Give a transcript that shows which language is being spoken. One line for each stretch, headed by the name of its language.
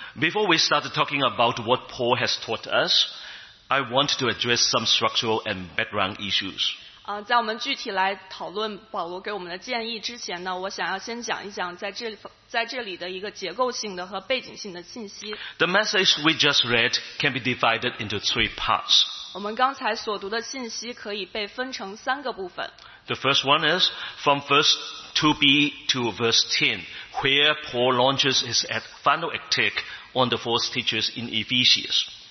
English: Before we start talking about what Paul has taught us, I want to address some structural and background issues.
Chinese: 在我们具体来讨论保罗给我们的建议之前呢，我想要先讲一讲在这里的一个结构性的和背景性的信息。
English: The message we just read can be divided into three parts.
Chinese: 我们刚才所读的信息可以被分成三个部分。
English: The first one is from verse 2b to verse 10, where Paul launches his final attack on the false teachers in Ephesus.